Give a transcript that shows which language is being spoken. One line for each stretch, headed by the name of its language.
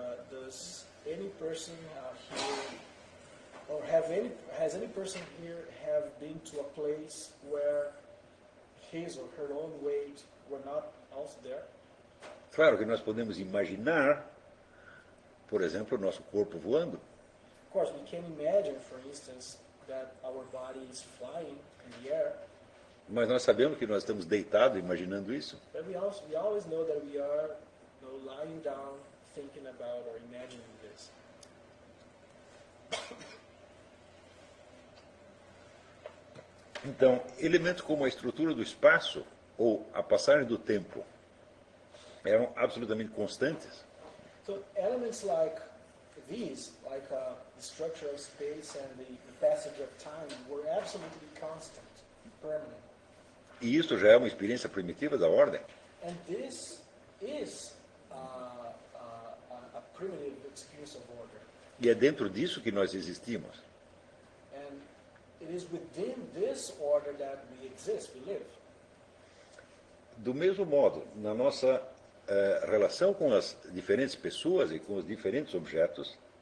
English: does any person here, or has any person here have been to a place where his or her own weight were not also there?
Portuguese: Claro que nós podemos imaginar, por exemplo, nosso corpo voando.
English: Of course, we can imagine, for instance, that our body is flying in the air.
Portuguese: Mas nós sabemos que nós estamos deitados imaginando isso.
English: But we always know that we are, you know, lying down, thinking about or imagining this.
Portuguese: Então, elementos como a estrutura do espaço ou a passagem do tempo eram absolutamente constantes.
English: So elements like these, like the structure of space and the passage of time, were absolutely constant, permanent.
Portuguese: E isso já é uma experiência primitiva da ordem.
English: And this is a primitive experience of order.
Portuguese: E é dentro disso que nós existimos.
English: And it is within this order that we exist, we live.
Portuguese: Do mesmo modo, na nossa relação com as diferentes pessoas e com os diferentes objetos.